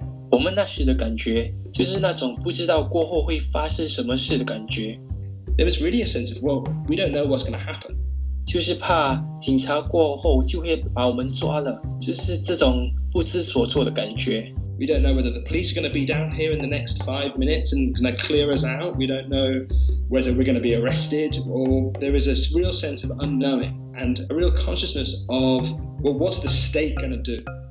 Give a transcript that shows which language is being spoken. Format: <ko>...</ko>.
<zh>我们那时的感觉就是那种不知道过后会发生什么事的感觉。</zh> <en>There is really a sense of, well, we don't know what's going to happen.</en> <zh>就是怕警察过后就会把我们抓了，就是这种不知所措的感觉。</zh> <en>We don't know whether the police are going to be down here in the next 5 minutes and going to clear us out. We don't know whether we're going to be arrested, or there is a real sense of unknowing and a real consciousness of, well, what's the state going to do?</en>